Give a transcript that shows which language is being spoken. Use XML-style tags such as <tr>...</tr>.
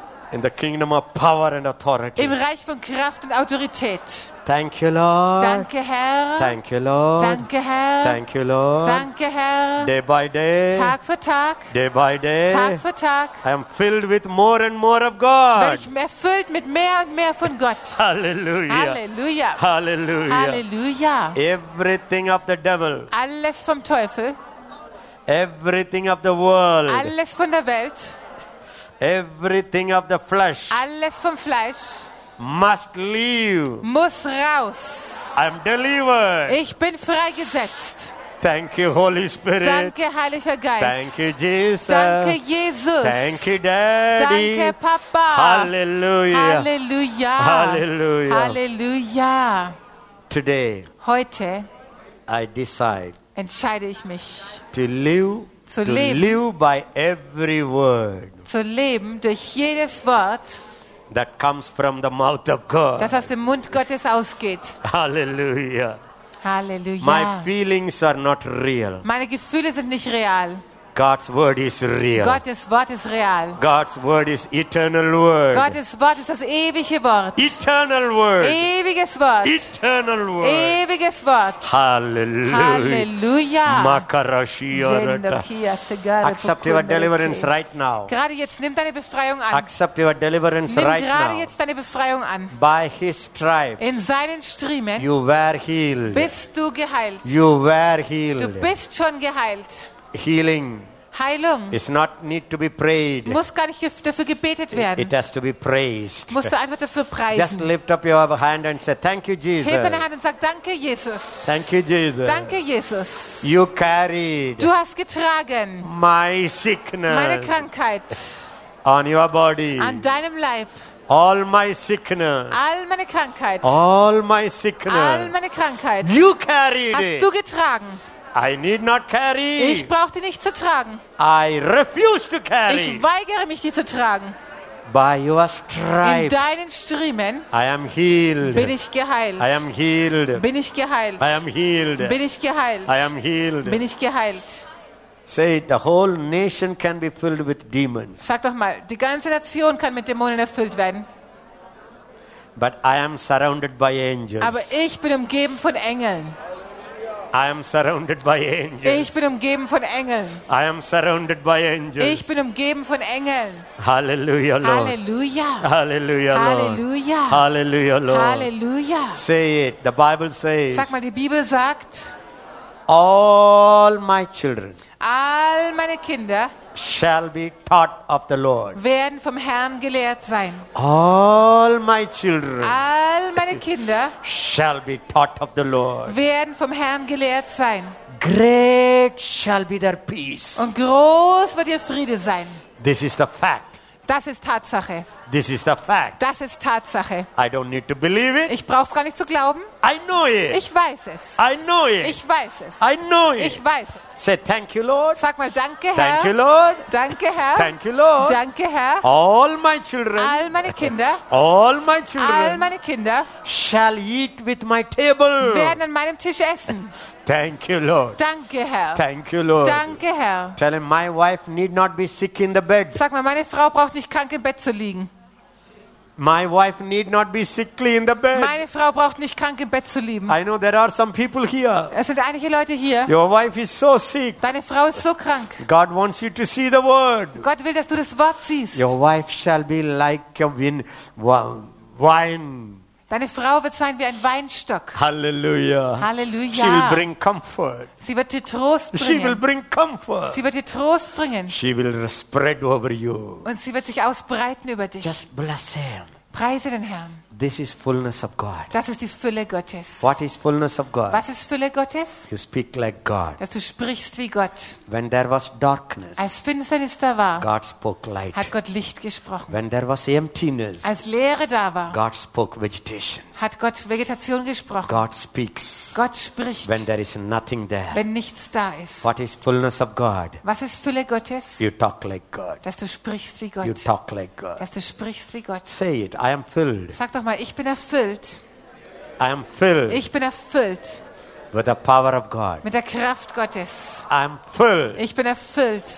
<en>In the kingdom of power and authority.</en> <de>Im Reich von Kraft und Autorität.</de> <en>Thank you, Lord.</en> <de>Danke, Herr.</de> <en>Thank you, Lord.</en> <de>Danke, Herr.</de> <en>Thank you, Lord.</en> <de>Danke, Herr.</de> <en>Day by day.</en> <de>Tag für Tag.</de> <en>Day by day.</en> <de>Tag für Tag.</de> <en>I am filled with more and more of God.</en> <de>Werde ich erfüllt mit mehr und mehr von Gott.</de> <en>Hallelujah.</en> <de>Hallelujah.</de> <en>Hallelujah.</en> <de>Hallelujah.</de> <en>Everything of the devil.</en> <de>Alles vom Teufel.</de> <en>Everything of the world.</en> <de>Alles von der Welt.</de> <en>Everything of the flesh.</en> <de>Alles vom Fleisch.</de> <en>Must leave.</en> <de>Muss raus.</de> <en>I'm delivered.</en> <de>Ich bin freigesetzt.</de> <en>Thank you, Holy Spirit.</en> <de>Danke, Heiliger Geist.</de> <en>Thank you, Jesus.</en> <de>Danke, Jesus.</de> <en>Thank you, Daddy.</en> <de>Danke, Papa.</de> <en>Hallelujah.</en> <de>Hallelujah.</de> <en>Hallelujah.</en> <de>Hallelujah.</de> <en>Today.</en> <de>Heute.</de> <en>I decide.</en> <de>Entscheide ich mich.</de> <en>To live.</en> <de>Zu leben.</de> <en>To live by every word.</en> <de>Zu leben durch jedes Wort,</de> <en>that comes from the mouth of God.</en> <de>Das aus dem Mund Gottes ausgeht.</de> <en>Hallelujah.</en> <de>Hallelujah.</de> <en>My feelings are not real.</en> <de>Meine Gefühle sind nicht real.</de> <en>God's word is real.</en> <de>Gottes Wort ist real.</de> <en>God's word is eternal word.</en> <de>Gottes Wort ist das ewige Wort.</de> <en>Eternal word.</en> <de>Ewiges Wort.</de> <en>Eternal word.</en> <de>Ewiges Wort.</de> <en>Hallelujah.</en> <de>Hallelujah.</de> <en>Accept your deliverance right now.</en> <de>Gerade jetzt nimm deine Befreiung an.</de> <en>Accept your deliverance</en> <de>nimm</de> <en>right</en> <de>gerade</de> <en>now.</en> <de>Gerade jetzt deine Befreiung an.</de> <en>By his stripes.</en> <de>In seinen Striemen.</de> <en>You were healed.</en> <de>Bist du geheilt.</de> <en>You were healed.</en> <de>Du bist schon geheilt.</de> <en>Healing</en> <de>Heilung</de> <en>is not need to be prayed.</en> <de>Muss gar nicht dafür gebetet werden.</de> <en>It has to be praised.</en> <de>Musst du einfach dafür preisen.</de> <en>Just lift up your hand and say thank you Jesus.</en> <de>Heb deine Hand und sag danke Jesus.</de> <en>Thank you Jesus.</en> <de>Danke Jesus.</de> <en>You carried.</en> <de>Du hast getragen.</de> <en>My sickness.</en> <de>Meine Krankheit.</de> <en>On your body.</en> <de>An deinem Leib.</de> <en>All my sickness.</en> <de>All meine Krankheit.</de> <en>All my sickness.</en> <de>All meine Krankheit.</de> <en>You carried it.</en> <de>Hast du getragen?</de> <en>I need not carry.</en> <de>Ich brauche die nicht zu tragen.</de> <en>I refuse to carry.</en> <de>Ich weigere mich, die zu tragen.</de> <en>By your stripes.</en> <de>In deinen Striemen.</de> <en>I am healed.</en> <de>Bin ich geheilt.</de> <en>I am healed.</en> <de>Bin ich geheilt.</de> <en>I am healed.</en> <de>Bin ich geheilt.</de> <en>I am healed.</en> <de>Bin ich geheilt.</de> <en>Say the whole nation can be filled with demons.</en> <de>Sag doch mal, die ganze Nation kann mit Dämonen erfüllt werden.</de> <en>But I am surrounded by angels.</en> <de>Aber ich bin umgeben von Engeln.</de> <en>I am surrounded by angels.</en> <de>Ich bin umgeben von Engeln.</de> <en>I am surrounded by angels.</en> <de>Ich bin umgeben von Engeln.</de> <en>Hallelujah, Lord.</en> <de>Hallelujah.</de> <en>Hallelujah, Lord.</en> <de>Hallelujah.</de> <en>Hallelujah, Lord.</en> <de>Hallelujah.</de> <en>Say it. The Bible says.</en> <de>Sag mal, die Bibel sagt.</de> <en>All my children.</en> <de>All meine Kinder.</de> <en>Shall be taught of the Lord.</en> <de>Werden vom Herrn gelehrt sein.</de> <en>All my children.</en> <de>All meine Kinder.</de> <en>Shall be taught of the Lord.</en> <de>Werden vom Herrn gelehrt sein.</de> <en>Great shall be their peace.</en> <de>Und groß wird ihr Friede sein.</de> <en>This is the fact.</en> <de>Das ist Tatsache.</de> <en>This is the fact.</en> <de>Das ist Tatsache.</de> <en>I don't need to believe it.</en> <de>Ich brauch's gar nicht zu glauben.</de> <en>I know it.</en> <de>Ich weiß es.</de> <en>I know it.</en> <de>Ich weiß es.</de> <en>I know it.</en> <de>Ich weiß es.</de> <en>Say thank you, Lord.</en> <de>Sag mal danke,</de> <en>thank</en> <de>Herr.</de> <en>Thank you, Lord.</en> <de>Danke, Herr.</de> <en>Thank you, Lord.</en> <de>Danke, Herr.</de> <en>All my children.</en> <de>All meine Kinder.</de> <en>All my children.</en> <de>All meine Kinder.</de> <en>Shall eat with my table.</en> <de>Werden an meinem Tisch essen.</de> <en>Thank you, Lord.</en> <de>Danke, Herr.</de> <en>Thank you, Lord.</en> <de>Danke, Herr.</de> <en>Tell him my wife need not be sick in the bed.</en> <de>Sag mal, meine Frau braucht nicht krank im Bett zu liegen.</de> <en>My wife need not be sickly in the bed.</en> <de>Meine Frau braucht nicht krank im Bett zu liegen.</de> <en>I know there are some people here.</en> <de>Es sind einige Leute hier.</de> <en>Your wife is so sick.</en> <de>Deine Frau ist so krank.</de> <en>God wants you to see the word.</en> <de>Gott will, dass du das Wort siehst.</de> <en>Your wife shall be like a wine.</en> <de>Deine Frau wird sein wie ein Weinstock.</de> <en>Halleluja.</en> <de>Halleluja.</de> <en>She will bring comfort.</en> <de>Sie wird dir Trost bringen.</de> <en>She will bring comfort.</en> <de>Sie wird dir Trost bringen.</de> <en>She will spread over you.</en> <de>Und sie wird sich ausbreiten über dich.</de> <en>Just bless him.</en> <de>Preise den Herrn.</de> <en>This is fullness of God.</en> <de>Das ist die Fülle Gottes.</de> <en>What is fullness of God?</en> <de>Was ist Fülle Gottes?</de> <en>You speak like God.</en> <de>Dass du sprichst wie Gott.</de> <en>When there was darkness,</en> <de>als Finsternis da war,</de> <en>God spoke light.</en> <de>Hat Gott Licht gesprochen.</de> <en>When there was emptiness,</en> <de>als Leere da war,</de> <en>God spoke vegetation.</en> <de>Hat Gott Vegetation gesprochen.</de> <en>God speaks.</en> <de>Gott spricht.</de> <en>When there is nothing there,</en> <de>wenn nichts da ist.</de> <en>What is fullness of God?</en> <de>Was ist Fülle Gottes?</de> <en>You talk like God.</en> <de>Dass du sprichst wie Gott.</de> <en>You talk like God.</en> <de>Dass du sprichst wie Gott.</de> <en>Say it. I am filled.</en> <de>Sag doch mal, ich bin erfüllt.</de> <en>I am filled.</en> <de>Ich bin erfüllt.</de> <en>With the power of God.</en> <de>Mit der Kraft Gottes.</de> <en>I am filled.</en> <de>Ich bin erfüllt.</de>